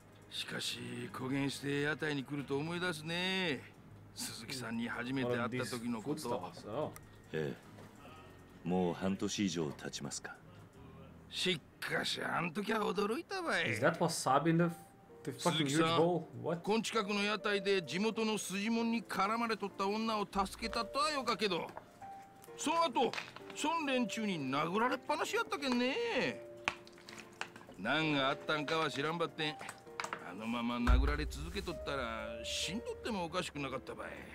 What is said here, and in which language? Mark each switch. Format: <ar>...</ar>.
<ja>しかし、こげんして屋台に来ると思い出すね。鈴木さんに初めて会った時のこと。ええ。もう半年以上経ちますか。しかし、あの時は驚いたばい。</ja> <en>Is that wasabi in the fucking huge bowl? What?</en> <ja>こん近くの屋台で地元の筋もんに絡まれとった女を助けたとはよかけど。その後、その連中に殴られっぱなしやったけんね。何があったんかは知らんばってん。のまま殴られ続けとったら死んどってもおかしくなかったばい。</ja>